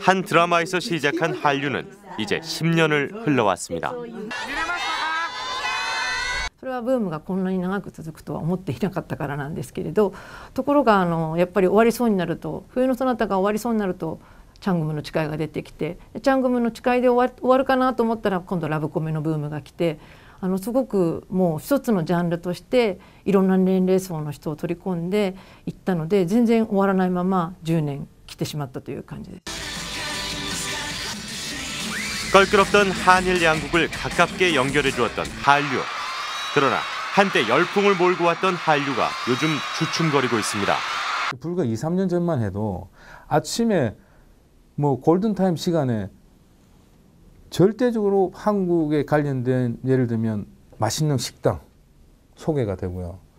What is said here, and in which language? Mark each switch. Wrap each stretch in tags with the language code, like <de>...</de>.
<ko>한 드라마에서 시작한 한류는 이제 10년을 흘러왔습니다.</ko> <ja>それはブームがこんなに長く続くとは思っていなかったからなんですけれど、ところがやっぱり終わりそうになると、冬のソナタが終わりそうになると、チャングムの誓いが出てきて、チャングムの誓いで終わるかなと思ったら、今度ラブコメのブームが来て、すごくもう一つのジャンルとして、いろんな年齢層の人を取り込んでいったので、全然終わらないまま 10年 来てしまったという感じです。</ja> <ko>껄끄럽던 한일 양국을 가깝게 연결해 주었던 한류. 그러나 한때 열풍을 몰고 왔던 한류가 요즘 주춤거리고 있습니다. 불과 2, 3년 전만 해도 아침에 뭐 골든타임 시간에 절대적으로 한국에 관련된, 예를 들면 맛있는 식당 소개가 되고요.</ko>